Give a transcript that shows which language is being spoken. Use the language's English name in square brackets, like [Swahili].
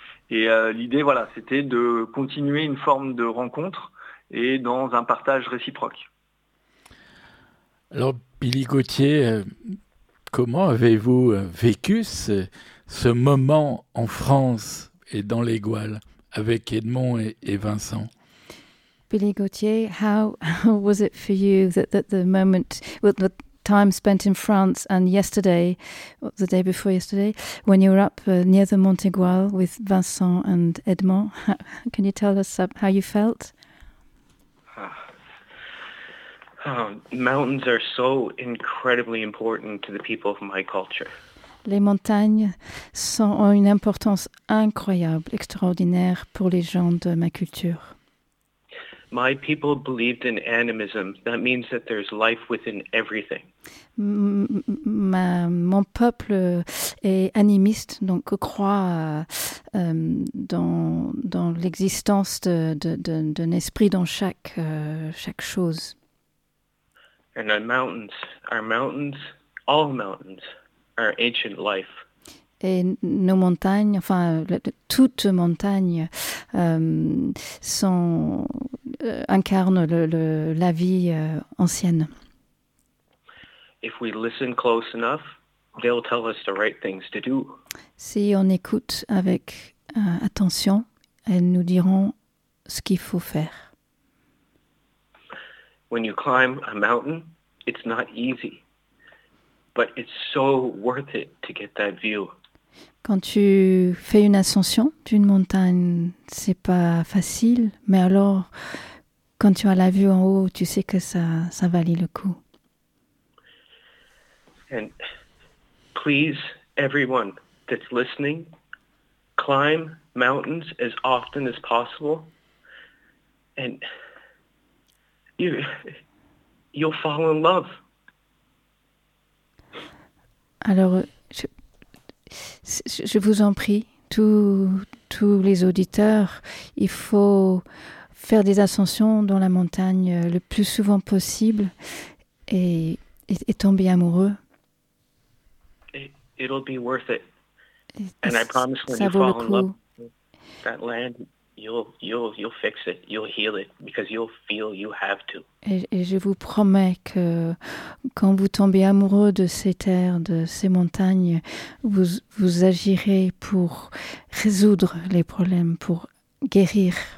[French] Et l'idée, voilà, c'était de continuer une forme de rencontre et dans un partage réciproque. Alors, Billy Gauthier, comment avez-vous vécu ce moment en France et dans les Gouales avec Edmond et Vincent? [English] Billy Gauthier, how was it for you that the moment, with the time spent in France and yesterday, the day before yesterday, when you were up near the Mont Aigoual with Vincent and Edmond, can you tell us how you felt? Mountains are so incredibly important to the people of my culture. [French] Les montagnes sont, ont une importance incroyable, extraordinaire pour les gens de ma culture. [English] My people believed in animism. That means that there's life within everything. [French] Mon peuple est animiste, donc croit dans l'existence d'un esprit dans chaque chose. [English] And our mountains, all mountains, our ancient life. [French] Et nos montagnes, enfin toutes montagnes, incarnent la vie ancienne. [English] If we listen close enough, they'll tell us the right things to do. [French] Si on écoute avec attention, elles nous diront ce qu'il faut faire. [English] When you climb a mountain, it's not easy. But it's so worth it to get that view. [French] Quand tu fais une ascension d'une montagne, c'est pas facile, mais alors quand tu as la vue en haut, tu sais que ça valait le coup. [English] And please, everyone that's listening, climb mountains as often as possible, and you'll fall in love. [French] Alors, je vous en prie, tous les auditeurs, il faut faire des ascensions dans la montagne le plus souvent possible et tomber amoureux. [English] It'll be worth it. And I promise when you fall in love with that land, you'll fix it, you'll heal it, because you'll feel you have to. [French] Et je vous promets que quand vous tombez amoureux de ces terres, de ces montagnes, vous agirez pour résoudre les problèmes, pour guérir.